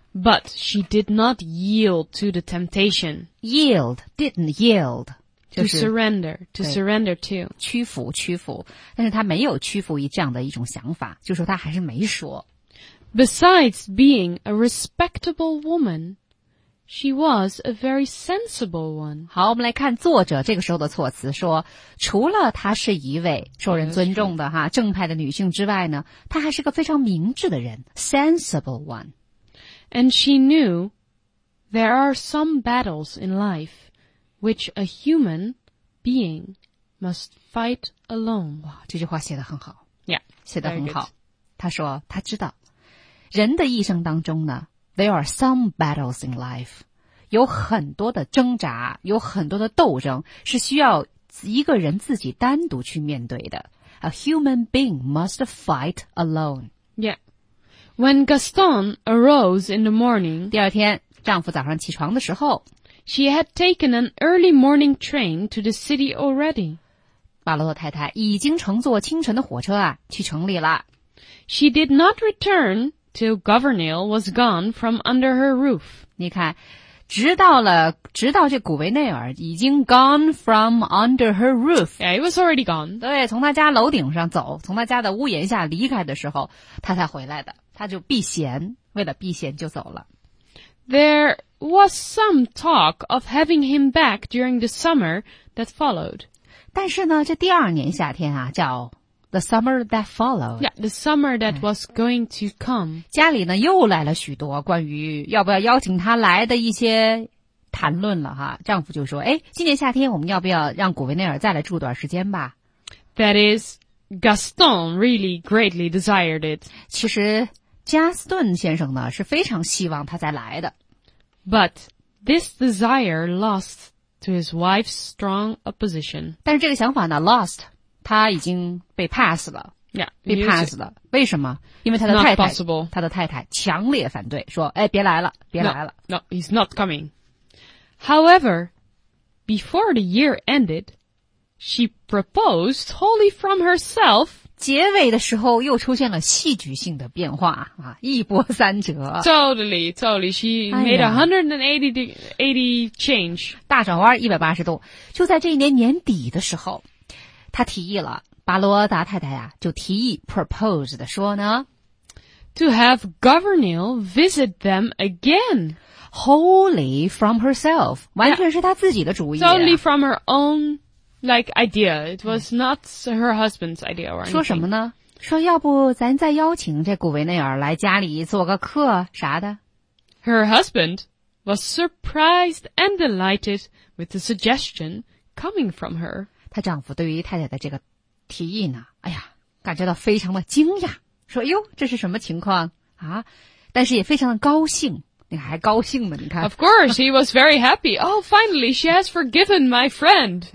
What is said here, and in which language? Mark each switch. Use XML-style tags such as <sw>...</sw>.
<en>But she did not yield to the temptation. Yield, didn't yield. To surrender to.</en> <zh>屈服，屈服。但是她没有屈服于这样的一种想法，就说她还是没说。</zh> <en>Besides being a respectable woman, She was a very sensible one.</en> <zh>好，我们来看作者这个时候的措辞，说除了她是一位受人尊重的哈正派的女性之外呢，她还是个非常明智的人 ,</zh> <en>sensible one. And she knew there are some battles in life which a human being must fight alone.</en> <zh>哇，这句话写得很好。</zh> <en>Yeah,</en> <zh>写得很好。她说她知道人的一生当中呢</zh> <en>There are some battles in life.</en> <zh>有很多的挣扎，有很多的斗争，是需要一个人自己单独去面对的。</zh> <en>A human being must fight alone. Yeah. When Gaston arose in the morning,</en> <zh>第二天，丈夫早上起床的时候，</zh> <en>she had taken an early morning train to the city already.</en> <zh>巴洛太太已经乘坐清晨的火车啊，去城里了。</zh> <en>She did not return. Till Gouvernail was gone from under her roof.</en> <zh>你看，直到这古维内尔已经</zh> <en>gone from under her roof. Yeah, it was already gone.</en> <zh>对，从他家楼顶上走，从他家的屋檐下离开的时候，他才回来的。他就避嫌，为了避嫌就走了。</zh> <en>There was some talk of having him back during the summer that followed.</en> <zh>但是呢，这第二年夏天啊，叫</zh> <en>The summer that followed. Yeah, the summer that was going to come.</en> <zh>家里呢又来了许多关于要不要邀请他来的一些谈论了哈。丈夫就说，诶，今年夏天我们要不要让古维内尔再来住段时间吧。</zh> <en>That is, Gaston really greatly desired it.</en> <zh>其实加斯顿先生呢是非常希望他再来的。</zh> <en>But this desire lost to his wife's strong opposition.</en> <zh>但是这个想法呢 lost. 他已经被 pass 了</zh> <en>yeah,</en> <zh>被 pass 了为什么因为他的太太</zh> <en>not possible.</en> <zh>他的太太强烈反对说哎，别来了别来了</zh> <en>no, he's not coming However, before the year ended She proposed wholly from herself</en> <zh>结尾的时候又出现了戏剧性的变化啊，一波三折</zh> <en>Totally, totally She made 180 change</en> <zh>大转弯180度就在这一年年底的时候他提议了巴罗达太太啊就提议 propose 的说呢</zh> <en>To have Gouvernail visit them again Wholly from herself</en> <zh>完全是他自己的主意</zh> <en>Totally from her own like idea It was not her husband's idea or anything</en> <zh>说什么呢说要不咱再邀请这古维内尔来家里做个客啥的</zh> <en>Her husband was surprised and delighted with the suggestion coming from her</en> <zh>她丈夫对于太太的这个提议呢，哎呀，感觉到非常的惊讶，说：“哟，这是什么情况啊？” 但是也非常的高兴，你看还高兴呢，你看。</zh> <en>Of course, he was very happy. Oh, finally, she has forgiven my friend.</en>